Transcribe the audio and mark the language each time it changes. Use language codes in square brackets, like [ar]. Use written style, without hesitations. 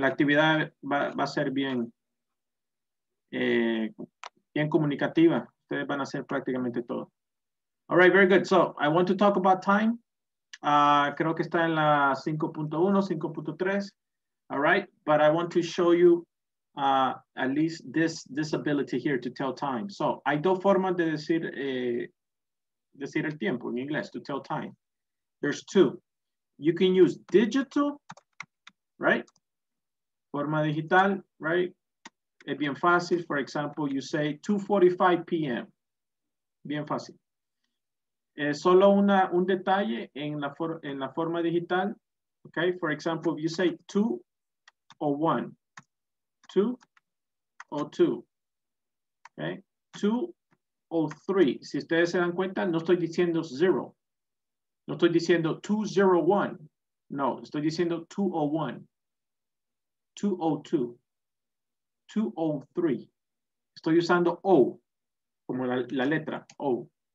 [es] La actividad va a ser bien, bien comunicativa. Ustedes van a hacer prácticamente todo. [en] All right, very good. So, I want to talk about time. [es] Creo que está en la 5.1, 5.3. [en] All right, but I want to show you at least this ability here to tell time. [es] So, hay dos formas de decir, decir el tiempo en inglés, [en] to tell time. There's two. You can use digital, right? [es] Forma digital, right? Es bien fácil. [en] For example, you say 2:45 p.m. [es] Bien fácil. Solo un detalle en la forma digital, okay? [en] For example, if you say 2:01, two or three. [es] Si ustedes se dan cuenta, no estoy diciendo zero. No estoy diciendo 2:01. No, estoy diciendo 2:01. 2:02. 2:03. Estoy usando O, como la letra O.